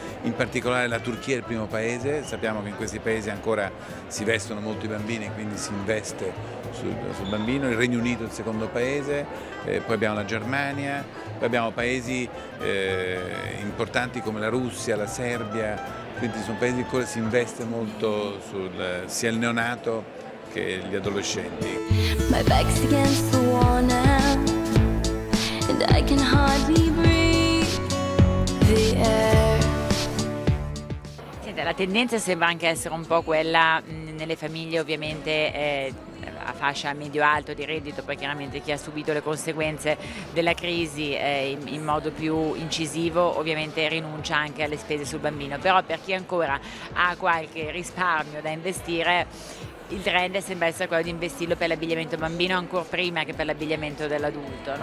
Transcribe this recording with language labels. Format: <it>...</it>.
<it>In particolare la Turchia è il primo paese, sappiamo che in questi paesi ancora si vestono molto i bambini, quindi si investe sul bambino. Il Regno Unito è il secondo paese, poi abbiamo la Germania, poi abbiamo paesi importanti come la Russia, la Serbia, quindi sono paesi in cui si investe molto sia il neonato che gli adolescenti.</it> <en>My back's against the wall now, and I can hardly breathe the air.</en> <it>Senta, la tendenza sembra anche essere un po' quella nelle famiglie, ovviamente a fascia medio-alto di reddito, perché chiaramente chi ha subito le conseguenze della crisi in modo più incisivo ovviamente rinuncia anche alle spese sul bambino, però per chi ancora ha qualche risparmio da investire, il trend sembra essere quello di investirlo per l'abbigliamento bambino ancora prima che per l'abbigliamento dell'adulto.</it>